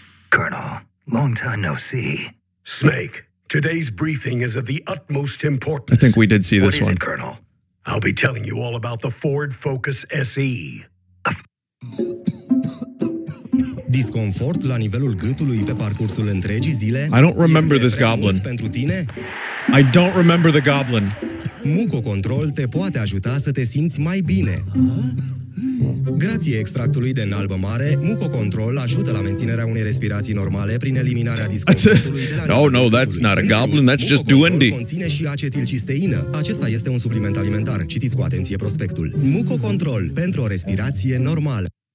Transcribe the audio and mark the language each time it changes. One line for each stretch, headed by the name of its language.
English: Colonel, long time no see. Snake, today's briefing is of the utmost importance. I think we did see this one. What is it, Colonel? I'll be telling you all about the Ford Focus SE.
Romanian: Disconfort la nivelul gâtului pe parcursul întregii zile?
English: I don't remember this goblin.
Romanian: Pentru tine?
English: I don't remember the goblin.
Romanian: Muco Control te poate ajuta să te simți mai bine. Grație extractului de înalbă mare, Muco Control ajută la menținerea unei respirații normale prin eliminarea disconfortului.
English: Oh no, that's not a goblin, that's just Duendy.
Romanian: Conține și acetilcisteină. Acesta este un supliment alimentar. Citiți cu atenție prospectul. Muco Control pentru o respirație normală.